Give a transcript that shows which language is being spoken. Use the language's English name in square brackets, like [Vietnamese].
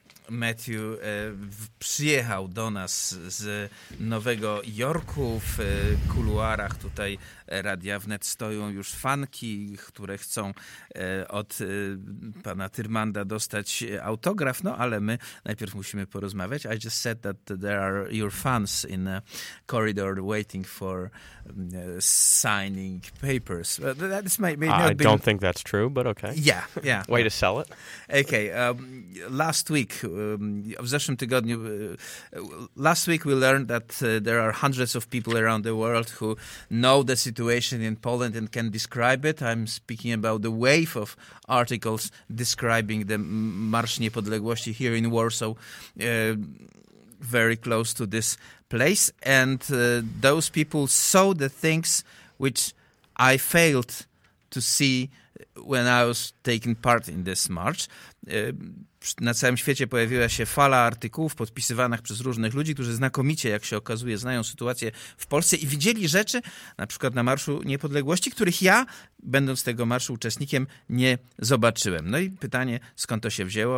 [Polish] Matthew przyjechał do nas z Nowego Jorku. W kuluarach tutaj Radia Wnet stoją już fanki, które chcą od pana Tyrmanda dostać autograf, no ale my najpierw musimy porozmawiać. [English] I just said that there are your fans in a corridor waiting for signing papers. This may not be... I don't think that's true, but okay. Yeah, yeah. Way to sell it. Okay, last week... [Polish] W zeszłym tygodniu, [English] last week we learned that there are hundreds of people around the world who know the situation in Poland and can describe it. I'm speaking about the wave of articles describing the Marsz Niepodległości here in Warsaw, very close to this place. And those people saw the things which I failed to see when I was taking part in this march. [Polish] Na całym świecie pojawiła się fala artykułów podpisywanych przez różnych ludzi, którzy znakomicie, jak się okazuje, znają sytuację w Polsce i widzieli rzeczy, na przykład na Marszu Niepodległości, których ja, będąc tego marszu uczestnikiem, nie zobaczyłem. No i pytanie, skąd to się wzięło?